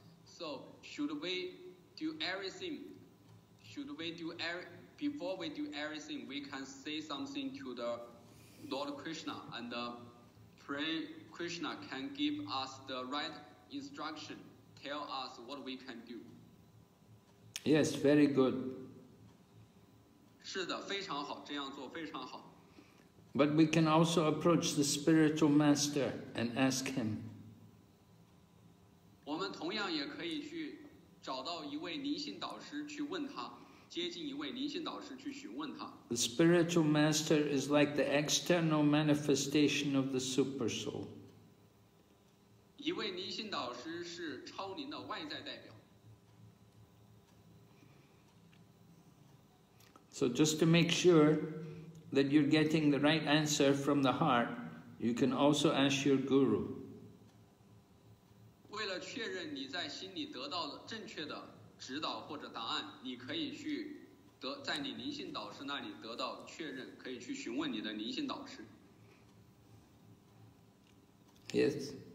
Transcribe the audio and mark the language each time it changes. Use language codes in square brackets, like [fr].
[en] So before we do everything, we can say something to the Lord Krishna and pray Krishna can give us the right instruction, tell us what we can do. Yes, very good. [zh] 是的，非常好，这样做非常好。 [en] But we can also approach the spiritual master and ask him. [zh] 我们同样也可以去找到一位灵性导师去问他，接近一位灵性导师去询问他。 [en] The spiritual master is like the external manifestation of the super soul. [zh] 一位灵性导师是超灵的外在代表。 [en] So just to make sure that you're getting the right answer from the heart, you can also ask your guru. [zh] 为了确认你在心里得到正确的指导或者答案，你可以去在你灵性导师那里得到确认，可以去询问你的灵性导师。 [en] Yes.